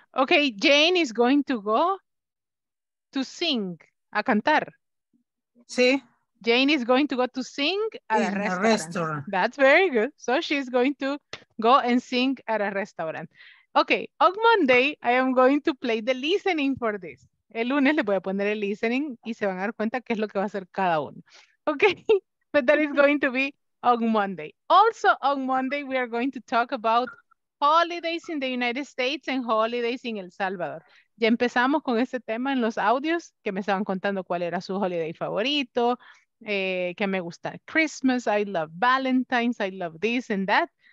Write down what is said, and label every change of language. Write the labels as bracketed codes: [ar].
[en] Okay, Jane is going to go to sing, [es] a cantar. Sí. [en] Jane is going to go to sing at a restaurant. That's very good. So she's going to go and sing at a restaurant. Okay, on Monday, I am going to play the listening for this. [es] El lunes le voy a poner el listening y se van a dar cuenta qué es lo que va a hacer cada uno. [en] Okay, but that is going to be on Monday. Also on Monday, we are going to talk about holidays in the United States and holidays in El Salvador. [es] Ya empezamos con este tema en los audios que me estaban contando cuál era su holiday favorito, que me gusta Christmas, [en] I love Valentine's, I love this and that.